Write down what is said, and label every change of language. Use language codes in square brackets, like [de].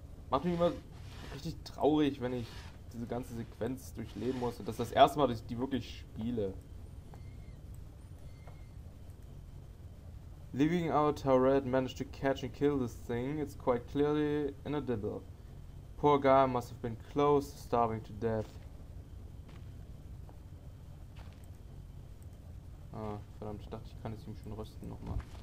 [de] Macht mich immer richtig traurig, wenn ich diese ganze Sequenz durchleben muss. Und das ist das erste Mal, dass ich die wirklich spiele. [en] Leaving out how Red managed to catch and kill this thing, it's quite clearly inedible. Poor guy must have been close to starving to death. [de] Ah, verdammt, ich dachte, ich kann es ihm schon rösten nochmal.